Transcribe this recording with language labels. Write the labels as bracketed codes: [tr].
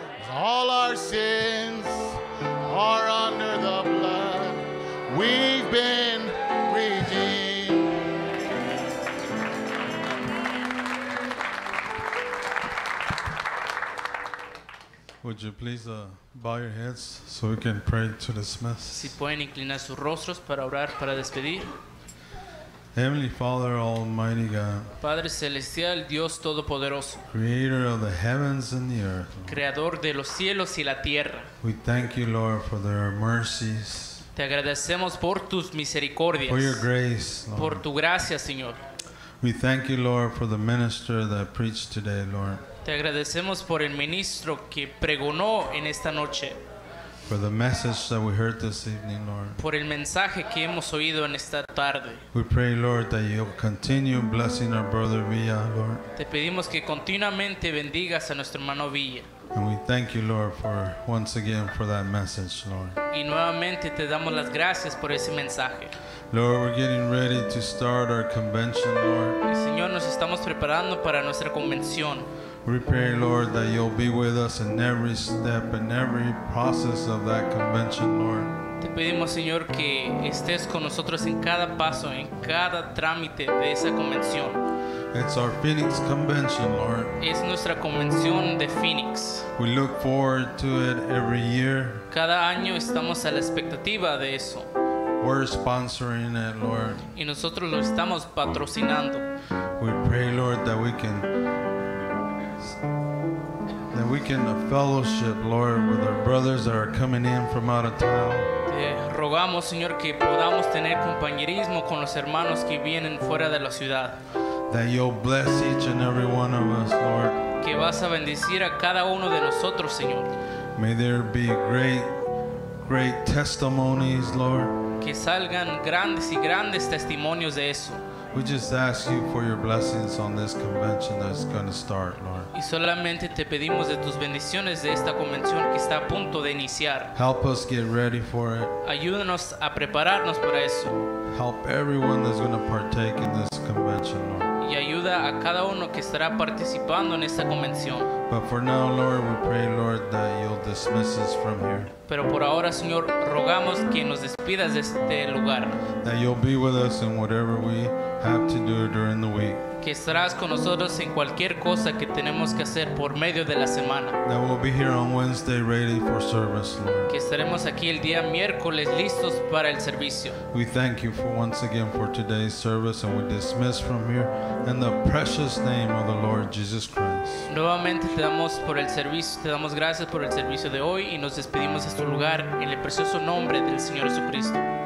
[en] All our sins are under the blood. We've been redeemed. Would you please bow your heads so we can pray to dismiss? [es] Si pueden inclinar sus rostros para orar para despedir. [en] Heavenly Father, Almighty God. [es] Padre celestial, Dios todopoderoso. [en] Creator of the heavens and the earth. [es] Creador de los cielos y la tierra. [en] We thank you, Lord, for their mercies. [es] Te agradecemos por tus misericordias. [en] For your grace, Lord. [es] Por tu gracia, Señor. [en] We thank you, Lord, for the minister that preached today, Lord. [es] Te agradecemos por el ministro que pregonó en esta noche. [en] For the message that we heard this evening, Lord. [es] Por el mensaje que hemos oído en esta tarde. [en] We pray, Lord, that you continue blessing our brother Villa, Lord. [es] Te pedimos que continuamente bendigas a nuestro hermano Villa. [en] And we thank you, Lord, for once again for that message, Lord. [es] Y nuevamente te damos las gracias por ese mensaje. [en] Lord, we're getting ready to start our convention, Lord. [es] Y Señor, nos estamos preparando para nuestra convención. [en] We pray, Lord, that you'll be with us in every step and every process of that convention, Lord. [es] Te pedimos, Señor, que estés con nosotros en cada paso, en cada trámite de esa convención. [en] It's our Phoenix convention, Lord. [es] Es nuestra convención de Phoenix. [en] We look forward to it every year. [es] Cada año estamos a la expectativa de eso. [en] We're sponsoring it, Lord. [es] Y nosotros lo estamos patrocinando. [en] We pray, Lord, that we can fellowship, Lord, with our brothers that are coming in from out of town. [es] Te rogamos, Señor, que podamos tener compañerismo con los hermanos que vienen fuera de la ciudad. [en] That you'll bless each and every one of us, Lord. [es] Que vas a bendecir a cada uno de nosotros, Señor. [en] May there be great, great testimonies, Lord. [es] Que salgan grandes y grandes testimonios de eso. [en] We just ask you for your blessings on this convention that's going to start, Lord. [es] Y solamente te pedimos de tus bendiciones de esta convención que está a punto de iniciar. [en] Help us get ready for it. [es] Ayúdanos a prepararnos para eso. [en] Help everyone that's going to partake in this convention, Lord. [es] Y ayuda a cada uno que estará participando en esta convención. [en] But for now, Lord, we pray, Lord, that you'll dismiss us from here. [es] Pero por ahora, Señor, rogamos que nos despidas de este lugar. [en] That you'll be with us in whatever we have to do during the week. [es] Que estarás con nosotros en cualquier cosa que tenemos que hacer por medio de la semana. [en] That we'll be here on Wednesday ready for service, Lord. [es] Que estaremos aquí el día miércoles listos para el servicio. [en] We thank you for once again for today's service and we dismiss from here in the precious name of the Lord Jesus Christ. [es] Nuevamente te damos por el servicio, te damos gracias por el servicio de hoy y nos despedimos de este lugar en el precioso nombre del Señor Jesucristo.